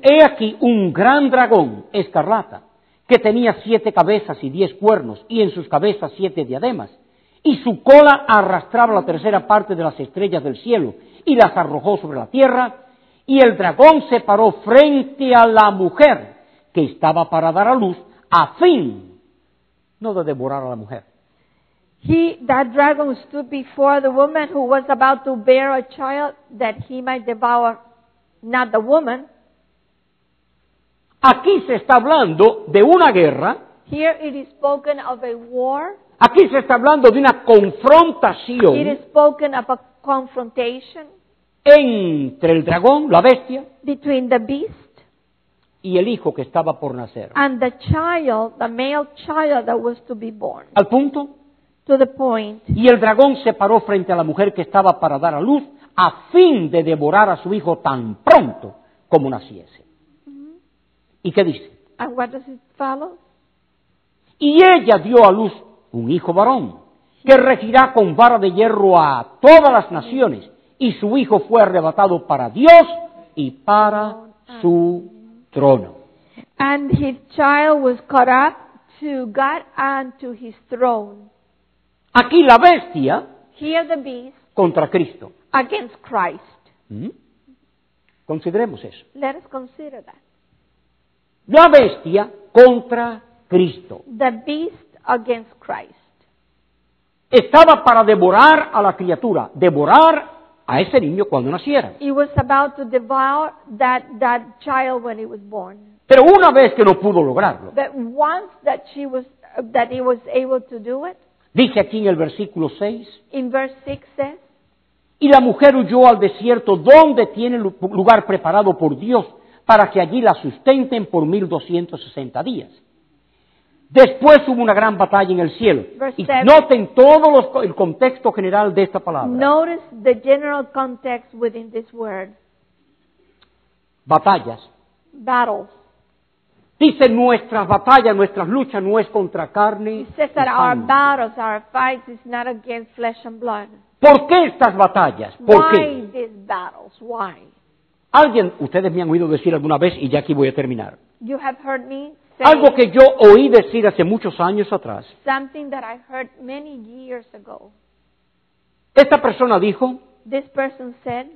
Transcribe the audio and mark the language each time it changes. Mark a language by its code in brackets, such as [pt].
[es] He aquí un gran dragón escarlata que tenía 7 cabezas y 10 cuernos y en sus cabezas 7 diademas. Y su cola arrastraba la tercera parte de las estrellas del cielo y las arrojó sobre la tierra. Y el dragón se paró frente a la mujer que estaba para dar a luz a fin, no de devorar a la mujer. [en] That dragon stood before the woman who was about to bear a child that he might devour, not the woman. [es] Aquí se está hablando de una guerra. [en] Here it is spoken of a war. [es] Aquí se está hablando de una confrontación. [en] It is spoken of a confrontation. [es] Entre el dragón, la bestia. [en] Between the beast. [es] Y el hijo que estaba por nacer. [en] And the child, the male child that was to be born. [es] Al punto. [en] To the point. [es] Y el dragón se paró frente a la mujer que estaba para dar a luz a fin de devorar a su hijo tan pronto como naciese. ¿Y qué dice? [en] And what does it follow? [es] Y ella dio a luz un hijo varón que regirá con vara de hierro a todas las naciones, y su hijo fue arrebatado para Dios y para su trono. [en] And his child was caught up to God and to his throne. [es] Aquí la bestia, [en] here the beast, [es] contra Cristo. [en] Against Christ. [es] Consideremos eso. [en] Let us consider that. [es] La bestia contra Cristo. [en] The beast against Christ. [es] Estaba para devorar a la criatura, devorar a ese niño cuando naciera. [en] He was about to devour that child when he was born. [es] Pero una vez que no pudo lograrlo, [en] but once that she was, that he was able to do it, [es] dice aquí en el versículo 6, [en] in verse 6 says, [es] y la mujer huyó al desierto donde tiene lugar preparado por Dios para que allí la sustenten por 1260 días. Después hubo una gran batalla en el cielo. [en] Verse [es] y [en] 7, [es] noten todo el contexto general de esta palabra. [en] Notice the general context within this word. [es] Batallas. [en] Battles. [es] Dice, nuestras batallas, nuestras luchas no es contra carne y sangre. [en] He says that our battles, our fights is not against flesh and blood. [es] ¿Por qué estas batallas? ¿Por [en] why [es] qué? [en] Why these battles? Why? [es] Alguien, ustedes me han oído decir alguna vez, y ya aquí voy a terminar. [en] You have heard me say, [es] algo que yo oí decir hace muchos años atrás. [en] Something that I heard many years ago. [es] Esta persona dijo, [en] this person said,